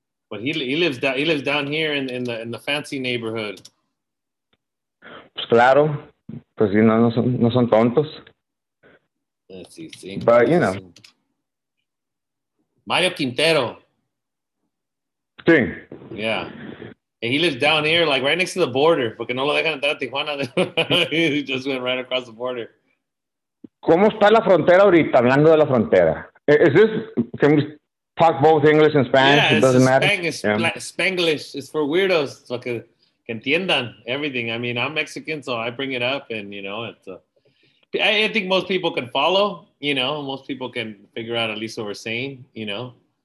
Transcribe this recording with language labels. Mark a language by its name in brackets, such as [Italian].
[English] But he lives down here in the fancy neighborhood. [Spanish] Pues claro, pues no son tontos. [English] Let's see. But Mario Quintero. [Spanish] Sí. [English] Yeah. And he lives down here, like right next to the border. [Spanish] Porque no lo dejan entrar a Tijuana. [English] He just went right across the border. [Spanish] ¿Cómo está la frontera ahorita, hablando de la frontera? [English] Is this, can we talk both English and Spanish? Yeah, it doesn't matter. Spanglish. Yeah. Spanglish is for weirdos, so [Spanish] que entiendan [English] everything. I mean, I'm Mexican, so I bring it up, and you know, it's I think most people can follow, you know, most people can figure out at least what we're saying, you know.